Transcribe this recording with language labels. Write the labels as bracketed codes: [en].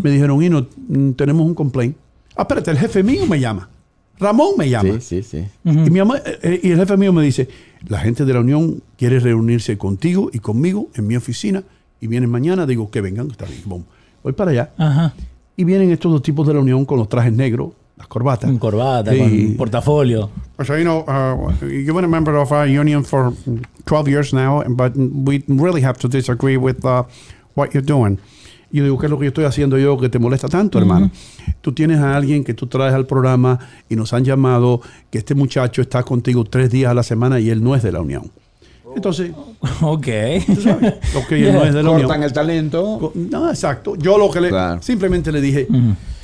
[es] Me dijeron, Hino, tenemos un complaint. Ah, espérate, el jefe mío me llama. Ramón me llama. Sí, sí, sí. Uh-huh. Y mi mamá, y el jefe mío me dice, la gente de la Unión quiere reunirse contigo y conmigo en mi oficina y vienen mañana. Digo, que vengan, está bien, boom. Voy para allá. Ajá. Y vienen estos dos tipos de la Unión con los trajes negros. Las corbatas. Un corbata, sí, con un portafolio. [en] So, you know, you've been a member of our union for 12 years now, but we really have to disagree with what you're doing. [es] Yo digo, ¿qué es lo que yo estoy haciendo yo que te molesta tanto, mm-hmm, hermano? Tú tienes a alguien que tú traes al programa y nos han llamado que este muchacho está contigo 3 días a la semana y él no es de la Unión. Entonces, okay, él no es de la Unión. Cortan el talento. No, exacto. Yo lo que claro, simplemente le dije... Mm-hmm.